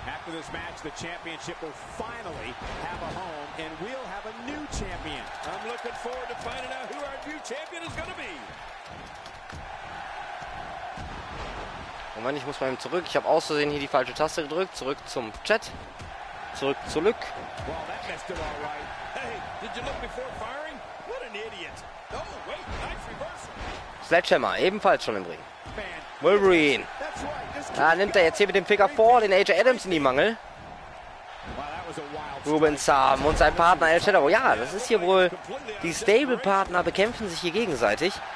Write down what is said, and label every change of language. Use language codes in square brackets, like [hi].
[en] This match, the championship will finally have a home, and we'll have a new champion. I'm looking forward to finding out who our new champion is going to be. [de] Moment, ich muss mal eben zurück. Ich habe aus Versehen hier die falsche Taste gedrückt. Zurück zum Chat. Zurück zu Lück. [en] Well, that messed it all right. Hey, did you look before firing? What an idiot. Oh, wait, nice reversal. [de] Sledgehammer, ebenfalls schon im Ring. Wolverine. Da nimmt er jetzt hier mit dem Finger vor, den AJ Adams in die Mangel. Ruben Sam und sein Partner El Shadow. Ja, das ist hier wohl, die Stable-Partner bekämpfen sich hier gegenseitig.